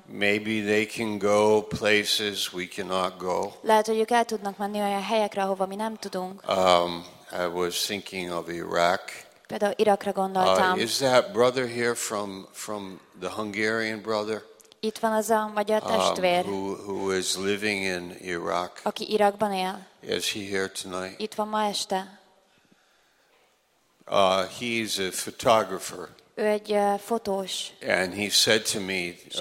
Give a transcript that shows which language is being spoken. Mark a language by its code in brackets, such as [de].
[en] Maybe they can go places we cannot go. [hu] Lehet, hogy ők el tudnak menni olyan helyekre, ahova mi nem tudunk. [en] I was thinking of Iraq. [hu] Például Irakra gondoltam. [en] Is that brother here from the Hungarian brother? [hu] Itt van az a magyar testvér. [en] Who is living in Iraq? [hu] Aki Irakban él. [en] Is he here tonight? [hu] Itt van ma este. [en] He's a photographer. [hu] Ő egy fotós. [en] And he said to me